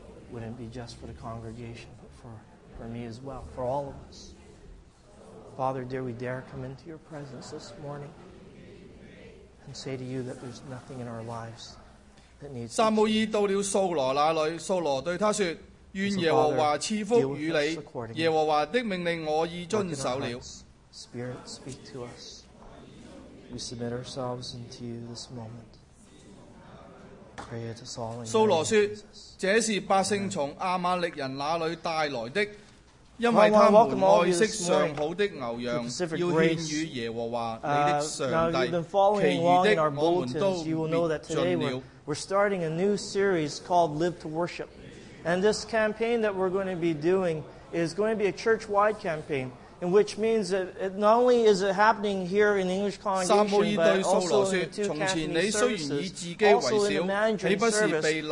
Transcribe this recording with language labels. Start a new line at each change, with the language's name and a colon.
English: Wouldn't be just for the congregation, but for me as well, for all of us. Father, dear, we dare come into your presence this morning and say to you that there's nothing in our lives.
Chinese: 撒母耳到了扫罗那里，扫罗对他说：愿耶和华赐福与你，耶和华的命令我已遵守了。
English: Spirit, speak to us. We submit ourselves unto you this moment. Pray it us all.
Chinese: 扫罗说：这是百姓从亚玛力人那里带来的，因为他们爱惜上好的牛羊，要献与耶和华你的上帝。其余的我们都灭尽了。
English: We're starting a new series called Live to Worship. And this campaign that we're going to be doing is going to be a church-wide campaign, in which means that it not only is it happening here in the English congregation, but also in the two campaign services, also in the managing service,